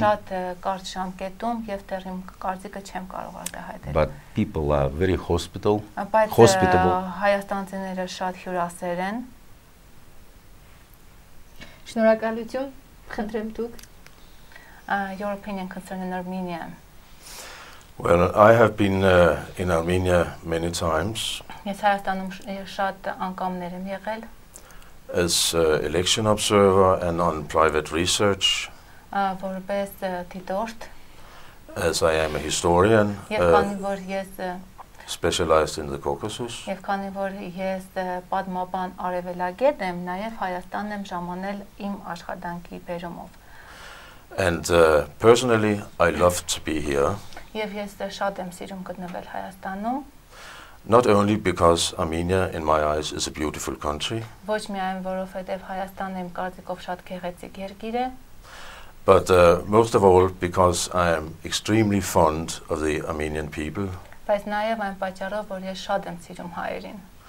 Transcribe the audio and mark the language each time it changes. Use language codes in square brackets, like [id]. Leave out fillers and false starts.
[hy] Շատ կարճ ժամկետում եւ դեռ իմ կարծիքը չեմ կարող արտահայտել։ [en] But people are very hospitable. [hy] Հայաստանցիները շատ հյուրասեր են։ Շնորհակալություն, խնդրեմ դուք։ [en] Your opinion concerning Armenia. Well, I have been in Armenia many times. [hy] Ես Հայաստանում շատ անգամներ եմ եղել։ [en] As election observer and on private research. [hy] Որպես դիտորդ. [en] As I am a historian. [hy] Եվ որ ես [en] specialized in the Caucasus. [hy] Եվ քանի որ ես պատմաբան արևելագետ եմ, նաև Հայաստանն եմ ժամանել իմ աշխատանքի բերումով. [en] And personally, I love to be here. [hy] Եվ ես շատ եմ սիրում գտնվել Հայաստանում. [en] Not only because Armenia in my eyes is a beautiful country. [hy] Ոչ միայն որովհետև Հայաստանն իմ կարծիքով շատ գեղեցիկ երկիր է. [en] But most of all because I am extremely fond of the Armenian people. [hy] Բայց նաև այն պատճառով, որ ես շատ եմ սիրում հայերին.